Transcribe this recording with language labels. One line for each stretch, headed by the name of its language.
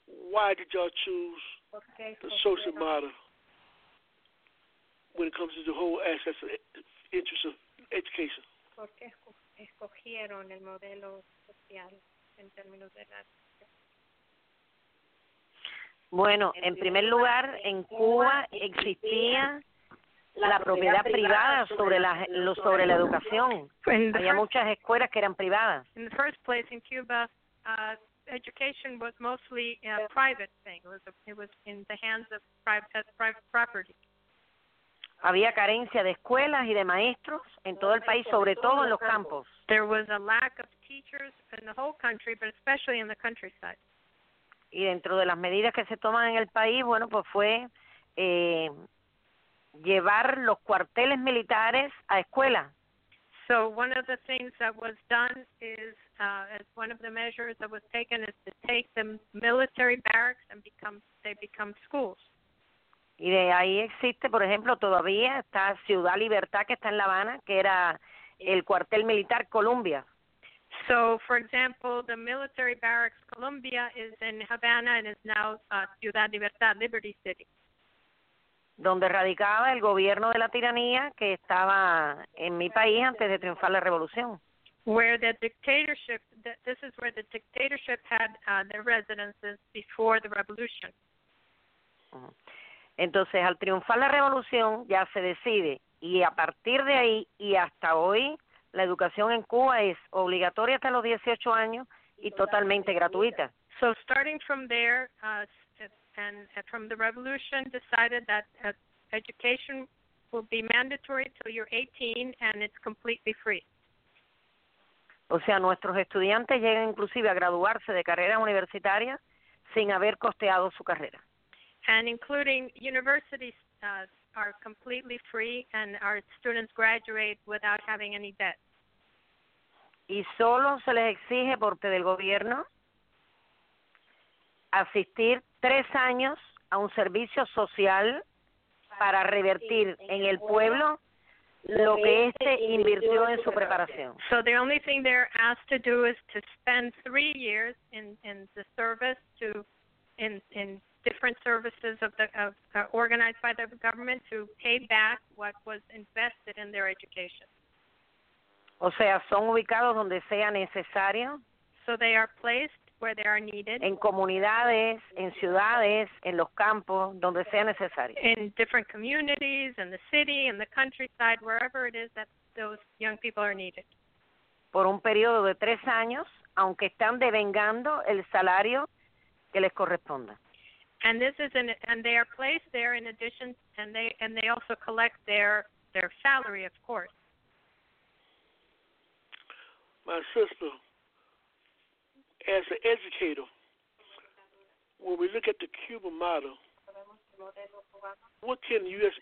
English: Why did y'all choose the social model when it comes to the whole aspect of interest of education?
Spanish: Escogieron el modelo social en términos de la educación. Bueno, en primer lugar, en Cuba existía la propiedad privada sobre la educación. Había muchas escuelas que eran privadas.
English: In the first place, in Cuba, education was mostly a private thing. It was in the hands of private property.
Spanish: Había carencia de escuelas y de maestros en todo el país, sobre todo en los campos.
English: There was a lack of teachers in the whole country, but especially in the countryside.
Spanish: Y dentro de las medidas que se toman en el país, bueno, pues fue llevar los cuarteles militares a escuela.
English: So one of the things that was done is, as one of the measures that was taken is to take the military barracks and become schools.
Spanish: Y de ahí existe, por ejemplo, todavía está Ciudad Libertad, que está en La Habana, que era el cuartel militar Colombia.
English: So, for example, the military barracks Colombia is in Havana and is now Ciudad Libertad, Liberty City.
Spanish: Donde radicaba el gobierno de la tiranía que estaba en mi país antes de triunfar la revolución.
English: Where the dictatorship, this is where the dictatorship had their residences before the revolution.
Spanish: Entonces, al triunfar la revolución, ya se decide, y a partir de ahí y hasta hoy, la educación en Cuba es obligatoria hasta los 18 años y totalmente gratuita.
English: So, starting from there, and from the revolution, decided that education will be mandatory till you're 18, and it's completely free.
Spanish: O sea, nuestros estudiantes llegan inclusive a graduarse de carrera universitaria sin haber costeado su carrera.
English: And including universities are completely free, and our students graduate without having any debt.
Spanish: Y solo se les exige por parte del gobierno asistir 3 años a un servicio social para revertir en el pueblo lo que este invirtió en su preparación.
English: So the only thing they're asked to do is to spend 3 years in the service to in different services of organized by the government to pay back what was invested in their education.
Spanish: O sea, son ubicados donde sea necesario.
English: So they are placed where they are needed.
Spanish: En comunidades, en ciudades, en los campos, donde sea necesario.
English: In different communities, in the city, in the countryside, wherever it is that those young people are needed.
Spanish: Por un periodo de 3 años, aunque están devengando el salario que les corresponda.
English: And this is and they are placed there in addition, and they also collect their salary, of course. My sister, as an educator, when we look at the Cuban model, what can U.S.